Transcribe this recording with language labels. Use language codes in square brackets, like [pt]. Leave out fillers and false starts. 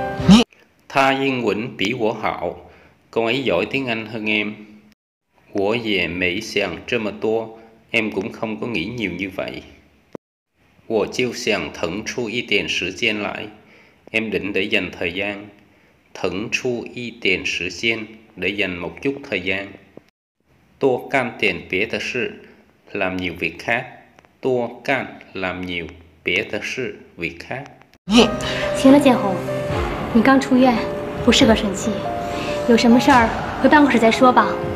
[zh] 你，他英文比我好， [vi] cô ấy giỏi tiếng Anh hơn em. [zh] 我也没想这么多 [vi] ，em cũng không có nghĩ nhiều như vậy. [zh] 我就想腾出一点时间来 ， [vi] em định để dành thời gian. [zh] 腾出一点时间 [vi] để dành một chút thời gian. [zh] 多干点别的事 [vi] làm nhiều việc khác. [zh] 多干， [vi] làm nhiều， [zh] 别的事， [vi] việc khác. [zh] 你行了，建红，你刚出院，不适合生气，有什么事儿回办公室再说吧。